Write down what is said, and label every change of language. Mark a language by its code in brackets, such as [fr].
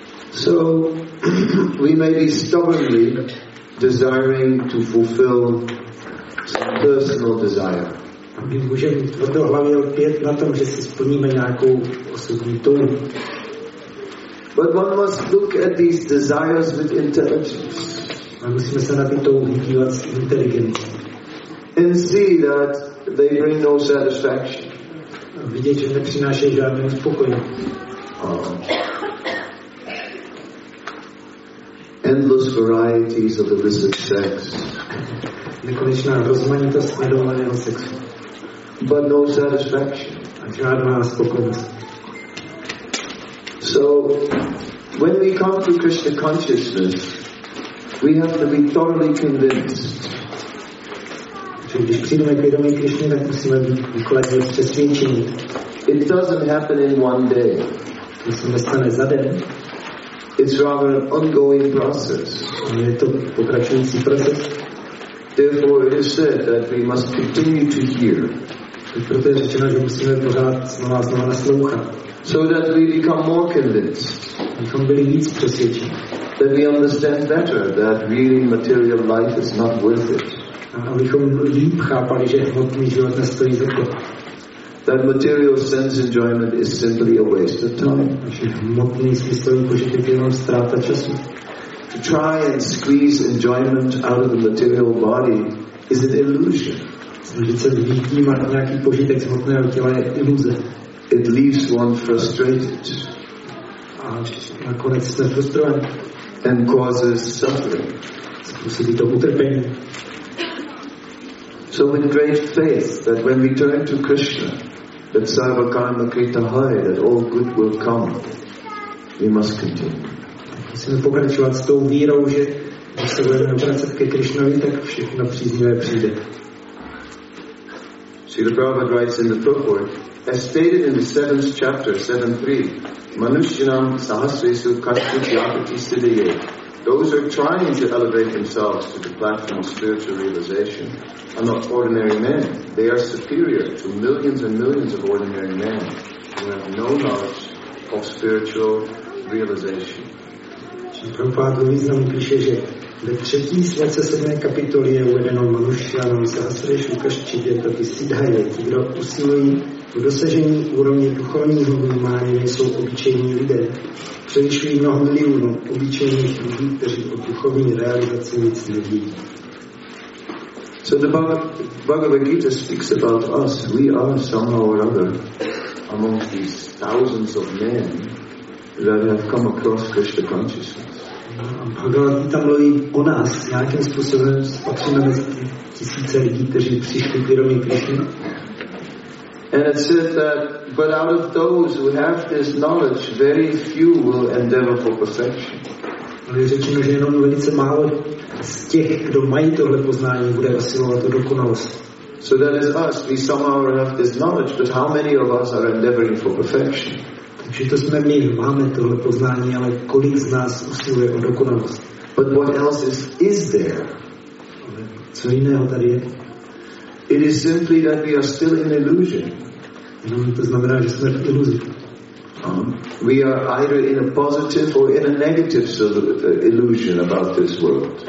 [en] So we may be stubbornly desiring to fulfill some personal desire. [cs] My můžeme tvrdohlavě lpět na tom, že si splníme nějakou osobní touhu. [en] But one must look at these desires with intelligence. [cs] A musíme se na ty touhy dívat s inteligencí. [en] And see that they bring no satisfaction. [cs] Vidět, že nepřináší žádné uspokojení. [en] Endless varieties of illicit sex. [cs] Nekonečná rozmanitost nedovoleného sexu. [en] But no satisfaction. [cs] A žádná uspokojenost. [en] So, when we come to Krishna consciousness, we have to be thoroughly convinced. [cs] Když přijdeme k vědomí Krišny, tak musíme být důkladně přesvědčení. [en] It doesn't happen in one day. [cs] To se nestane za den. [en] It's rather an ongoing process. [cs] Je to pokračující proces. [en] Therefore it is said that we must continue to hear. [cs] Proto je řečeno, že musíme pořád znovu a znovu naslouchat. [en] So that we become more convinced. [cs] Abychom byli víc přesvědčení. [en] That we understand better that really material life is not worth it. [cs] Abychom líp chápali, že hmotný život nestojí za to. [en] That material sense enjoyment is simply a waste of time. [cs] Že hmotný smyslový požitek je jenom ztráta času. [en] To try and squeeze enjoyment out of the material body is an illusion. [cs] Snažit se vnímat nějaký požitek z hmotného těla je iluze. [en] It leaves one frustrated. [cs] A nakonec jste frustrovaný. [en] And causes suffering. [cs] Způsobí to utrpení. [en] So with great faith that when we turn to Krishna, that [sa] sarva karma krita hai, [en] that all good will come, we must continue. [cs] Musíme pokračovat s tou vírou, že když se budeme obracet ke Krišnovi, tak všechno příznivé přijde. [en] Srila Prabhupada writes in the purport, as stated in the 7th chapter, 7.3, [sa] manushyanam sahasresu kashchit yapati siddhaye, [en] those who are trying to elevate themselves to the platform of spiritual realization are not ordinary men. They are superior to millions and millions of ordinary men who have no knowledge of spiritual realization. [cs] Prabhupada Luisa mu píše, že ve třetí slece sedmé kapitoly je uvedeno [sa] Manushyanam Sahasrešu Kaščidyata Vysidhaya. [cs] Ti, kdo usilují o dosažení úrovně duchovního vnímání, nejsou obyčejní lidé. Přemýšlí mnoho milionů obyčejných lidí, kteří o duchovní realizaci nic neví. [en] So the Bhagavad Gita speaks about us. We are somehow or other among these thousands of men that have come across Krishna consciousness. [cs] Bhagavad Gita mluví o nás. Nějakým způsobem spatříme mezi tisíce lidí, kteří přišli k vědomí Krishna. [en] And it says that, but out of those who have this knowledge, very few will endeavor for perfection. [cs] Ale řečeno, že jenom velice málo z těch, kdo mají tohle poznání, bude usilovat o dokonalost. [en] So that is us. We somehow have this knowledge, but how many of us are endeavoring for perfection? [cs] Takže to jsme my, máme tohle poznání, ale kolik z nás usiluje o dokonalost? [en] But what else is there? [cs] Co jiného tady je? [en] It is simply that we are still in illusion. [cs] Jenom to znamená, že jsme v iluzi. [en] We are either in a positive or in a negative sort of illusion about this world.